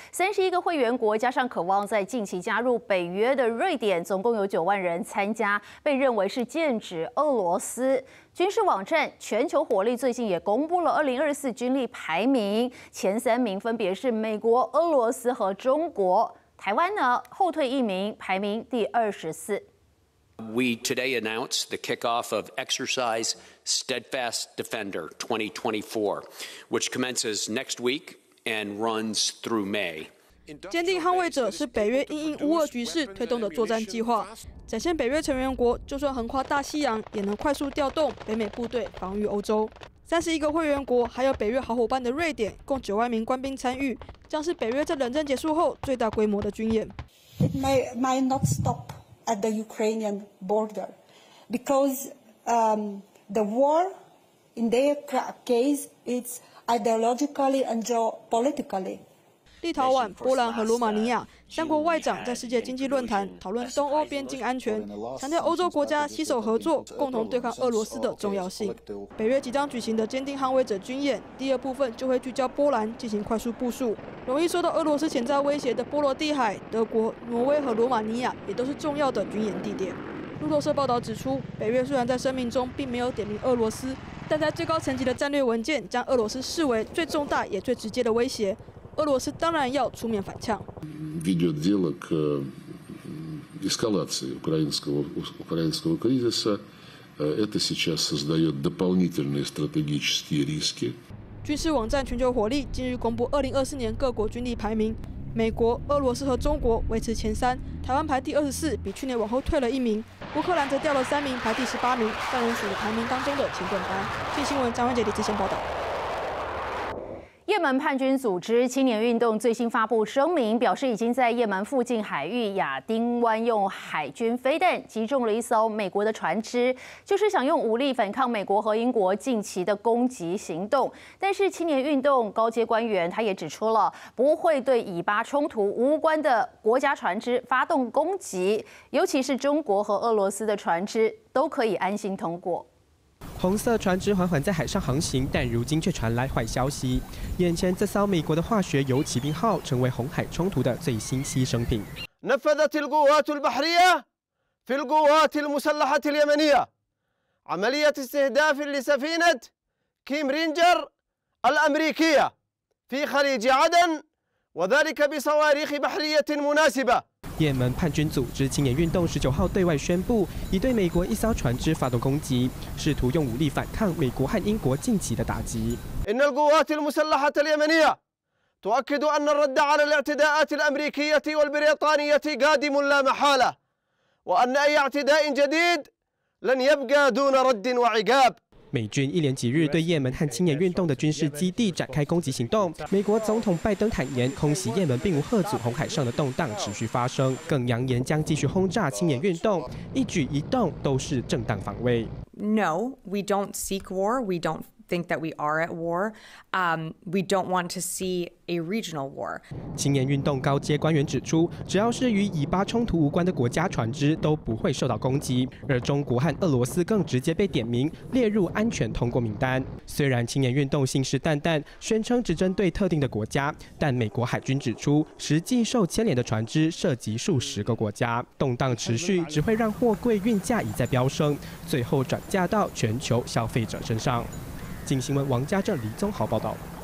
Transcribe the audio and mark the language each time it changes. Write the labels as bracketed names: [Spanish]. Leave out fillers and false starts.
[Chinese] 31个会员国加上渴望在近期加入北约的瑞典，总共有90,000人参加，被认为是剑指俄罗斯。军事网站全球火力最近也公布了2024军力排名，前三名分别是美国、俄罗斯和中国，台湾呢后退一名，排名第24。 [English] We today announce the kickoff of Exercise Steadfast Defender 2024, which commences next week and runs through May. [Chinese] 坚定捍卫者是北约因应乌俄局势推动的作战计划，展现北约成员国就算横跨大西洋，也能快速调动北美部队防御欧洲。 31个会员国还有北约好伙伴的瑞典，共90,000名官兵参与，将是北约在冷战结束后最大规模的军演。 [English] It might not stop. At the Ukrainian border, because the war, in their case, is ideologically and geopolitically. [Chinese] 立陶宛、波兰和罗马尼亚三国外长在世界经济论坛讨论东欧边境安全，强调欧洲国家携手合作，共同对抗俄罗斯的重要性。北约即将举行的坚定捍卫者军演，第二部分就会聚焦波兰进行快速部署。容易受到俄罗斯潜在威胁的波罗的海、德国、挪威和罗马尼亚也都是重要的军演地点。路透社报道指出，北约虽然在声明中并没有点名俄罗斯，但在最高层级的战略文件将俄罗斯视为最重大也最直接的威胁，俄罗斯当然要出面反呛。 [Russian] Ведет дело к эскалации украинского кризиса. Это сейчас создает дополнительные стратегические риски. [Chinese] 军事网站全球火力近日公布2024年各国军力排名，美国、俄罗斯和中国维持前三，台湾排第24，比去年往后退了一名。乌克兰则掉了三名，排第18名，但仍属于排名当中的前段班。据新闻，张文杰、李志贤报道。也门叛军组织青年运动最新发布声明，表示已经在也门附近海域亚丁湾用海军飞弹击中了一艘美国的船只，就是想用武力反抗美国和英国近期的攻击行动。但是青年运动高阶官员他也指出了，不会对以巴冲突无关的国家船只发动攻击，尤其是中国和俄罗斯的船只都可以安心通过。红色船只缓缓在海上航行，但如今却传来坏消息，眼前这艘美国的化学油骑兵号成为红海冲突的最新牺牲品。 [Arabic] نفذت القوات البحرية في القوات المسلحة اليمنية عملية استهداف لسفينة كيم رينجر الأمريكية في خليج عدن وذلك بصواريخ بحرية مناسبة。 [Chinese] 也门叛军组织青年运动19号对外宣布，已对美国一艘船只发动攻击，试图用武力反抗美国和英国近期的打击。 [Arabic] إن القوات المسلحة اليمنية تؤكد أن الرد على الاعتداءات الأمريكية والبريطانية قادم لا محالة، وأن أي اعتداء جديد لن يبقى دون رد وعقاب。 [Chinese] 美军一连几日对也门和青年运动的军事基地展开攻击行动，美国总统拜登坦言空袭也门并无吓阻红海上的动荡持续发生，更扬言将继续轰炸青年运动，一举一动都是正当防卫。 [English] No, we don't seek war. We don't think that we are at war. We don't want to see a regional war. [Chinese] 青年运动高阶官员指出，只要是与以巴冲突无关的国家船只都不会受到攻击，而中国和俄罗斯更直接被点名列入安全通过名单。虽然青年运动信誓旦旦宣称只针对特定的国家，但美国海军指出，实际受牵连的船只涉及数十个国家，动荡持续只会让货柜运价一再飙升，最后转嫁到全球消费者身上。《镜新闻》王家正、李宗豪报道。